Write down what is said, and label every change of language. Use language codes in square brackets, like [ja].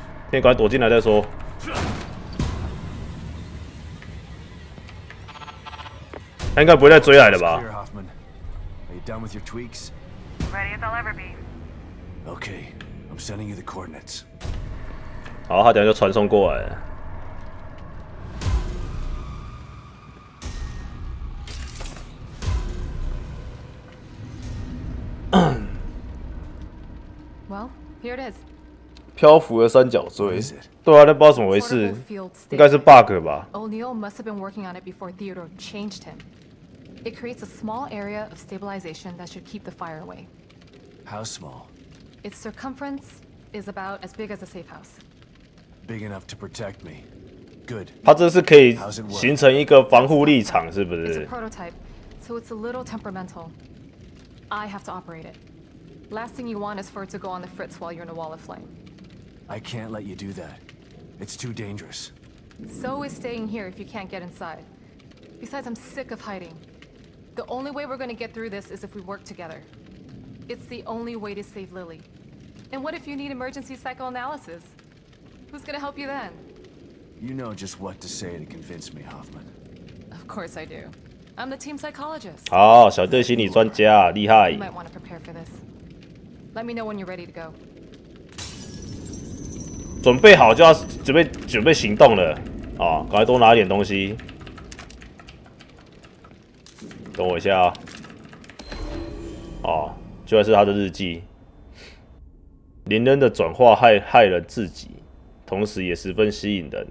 [zh] 先赶快躲进来再说。他应该不会再追来了吧？ [en] Done with your tweaks? Ready as I'll ever be. Okay, I'm sending you the coordinates. [zh] 好，他等下就传送过来了。 [en] Well, here it is. [zh] 漂浮的三角锥。对啊，那不知道怎么回事，应该是 bug 吧 [en] ？O'Neill must have been working on it before Theodore changed him. It creates a small area of stabilization that should keep the fire away. How small? Its circumference is about as big as a safe house. Big enough to protect me. Good. [zh] 它这是可以形成一个防护立场，是不是 [en] ？It's a prototype, so it's a little temperamental. I have to operate it. Last thing you want is for it to go on the fritz while you're in a wall of flame. I can't let you do that. It's too dangerous. So is staying here if you can't get inside. Besides, I'm sick of hiding. The only way we're going to get through this is if we work together. It's the only way to save Lily. And what if you need emergency psychoanalysis? Who's going to help you then? You know just what to say to convince me, Hoffman. Of course I do. I'm the team psychologist. [zh] 好，小队心理专家，厉害。 [en] You might want to prepare for this. Let me know when you're ready to go. [zh] 准备好就要准备行动了。啊，赶快多拿点东西。等我一下啊！哦，居然是他的日记。林恩的转化害了自己，同时也十分吸引人。